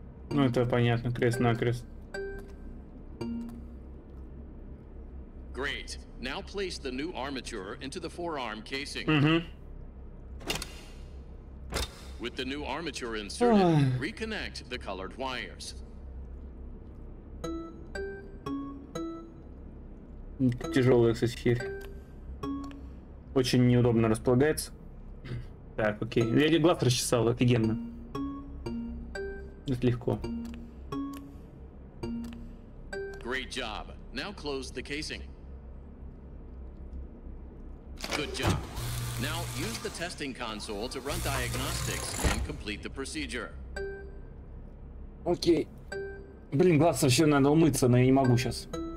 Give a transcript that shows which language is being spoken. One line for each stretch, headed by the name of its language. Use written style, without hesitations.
Russian: Ну это понятно, крест-накрест.
English: Great. Now place the new armature into the forearm casing. With the new armature inserted, reconnect the colored wires.
Russian: Тяжелая, кстати, херь. Очень неудобно располагается. Так, окей. Я глаз расчесал, офигенно. Это легко.
English: Great job. Now close the casing. Good job. Now use the testing console to run diagnostics and complete the procedure.
Russian: Окей. Блин, глаз вообще надо умыться, но я не могу сейчас.